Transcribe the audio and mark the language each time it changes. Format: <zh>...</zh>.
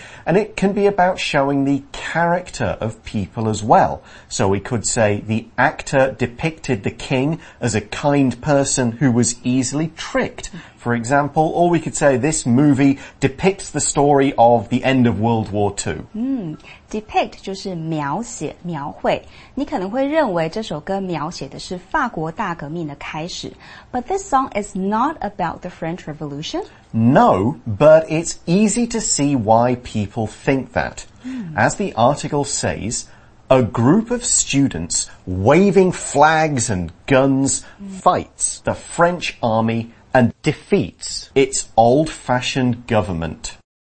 <en>And it can be about showing the character of people as well. So we could say the actor depicted the king as a kind person who was easily tricked for example. Or we could say this movie depicts the story of the end of World War II.</en> <zh>Depict 就是描写、描绘。你可能会认为这首歌描写的是法国大革命的开始。</zh> <en>But this song is not about the French Revolution? No, but it's easy to see why people think that. As the article says, a group of students waving flags and guns fights the French army and defeats its old-fashioned government.</en>